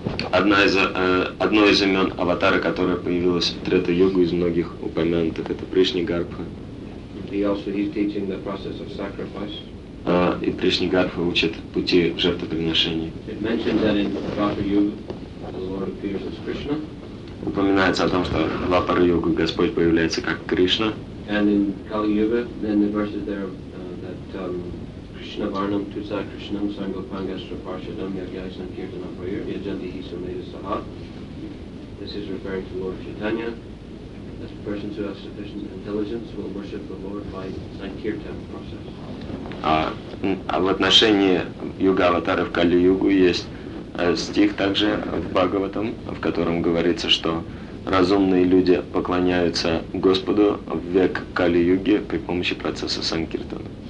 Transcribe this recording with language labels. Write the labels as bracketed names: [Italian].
[Russian] Одно из имен аватара, которое появилось в Трета Йогу из многих упомянутых, это Пришнигарбха. [English] He's teaching the process of sacrifice. [Russian] И Пришнигарбха учит пути жертвоприношения. [English] It mentions that in Dvapara Yuga the Lord appears as Krishna. [Russian] Упоминается о том, что в Двапара-йогу Господь появляется как Кришна. [English] And in Kali-yuga, then the verses there that [Sanskrit] Krishna Varnam Tusa Krishnam Sangopangastra Parshadam Yagyaisan Kirtana Prayer Yajanti Hisamita Saha. [English] This is referring to Lord Chaitanya. As persons who have sufficient intelligence will worship the Lord by Sankirtan process. [Russian] А в отношении юга-аватара в Кали-югу есть стих также в Бхагаватам, в котором говорится, что разумные люди поклоняются Господу в век Кали-юги при помощи процесса Санкиртана.